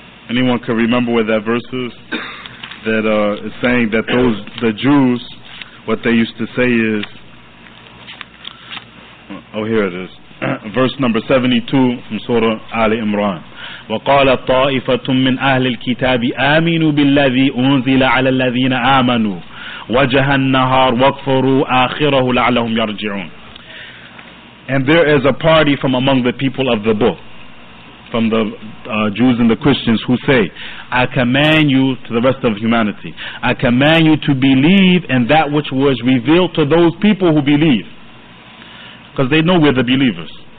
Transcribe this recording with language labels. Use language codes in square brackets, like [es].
[en] Anyone can remember where that verse is? That is saying that those, the Jews, what they used to say is, oh, here it is. Verse number 72 from Surah Ali Imran. [ar] وقال طائفة من أهل الكتاب آمنوا بالذي أنزل على الذين آمنوا وجه النهار واكفروا آخره لعلهم يرجعون. [en] And there is a party from among the people of the book, from the Jews and the Christians, who say, I command you, to the rest of humanity, I command you to believe in that which was revealed to those people who believe, because they know we're the believers.